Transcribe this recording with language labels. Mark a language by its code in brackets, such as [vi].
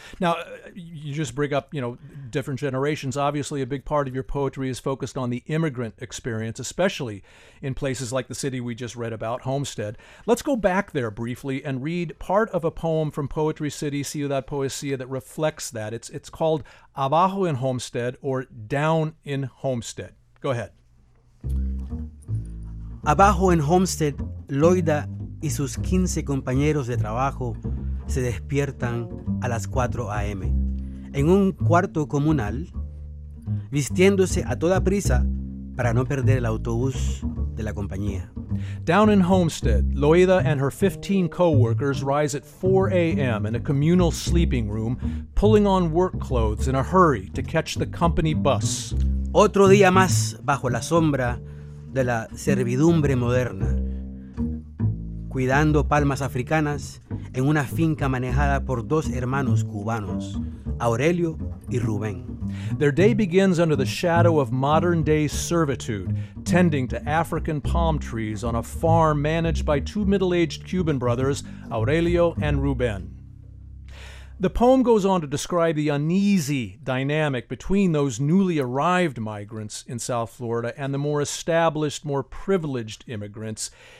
[en] Now, you just bring up, you know, different generations. Obviously, a big part of your poetry is focused on the immigrant experience, especially in places like the city we just read about, Homestead. Let's go back there briefly and read part of a poem from Poetry City, Ciudad Poesía, that reflects that. It's called Abajo en Homestead or Down in Homestead. Go ahead. [es] Abajo en Homestead, Loida y sus 15 compañeros de trabajo se despiertan a las 4 a.m. en un cuarto comunal, vistiéndose a toda prisa para no perder el autobús de la compañía. [en] Down in Homestead, Loida and her 15 co-workers rise at 4 a.m. in a communal sleeping room, pulling on work clothes in a hurry to catch the company bus. [es] Otro día más bajo la sombra de la servidumbre moderna, cuidando palmas africanas en una finca manejada por dos hermanos cubanos, Aurelio y Rubén. [en] Their day begins under the shadow of modern-day servitude, tending to African palm trees on a farm managed by two middle-aged Cuban brothers, Aurelio and Rubén. The poem goes on to describe the uneasy dynamic between those newly arrived migrants in South Florida and the more established, more privileged immigrants.